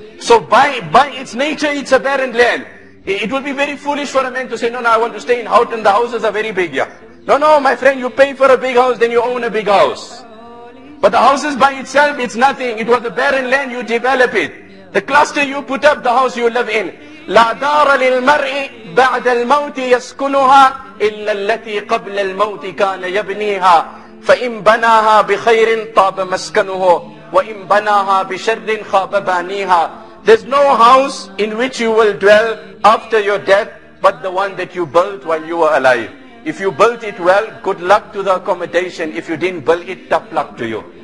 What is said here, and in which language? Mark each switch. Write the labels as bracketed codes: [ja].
[en] So by its nature, it's a barren land. It would be very foolish for a man to say, no, I want to stay in Houghton. The houses are very big here. No, my friend, you pay for a big house, then you own a big house. But the houses by itself, it's nothing. It was a barren land, you develop it. The cluster you put up, the house you live in. [ar] لا دار للمرء بعد الموت يسكنها إلا التي قبل الموت كان يبنيها فإن بناها بخير طاب مسكنه وإن بناها بشر خاب بانيها. [en] There's no house in which you will dwell after your death but the one that you built while you were alive. If you built it well, good luck to the accommodation. If you didn't build it, tough luck to you.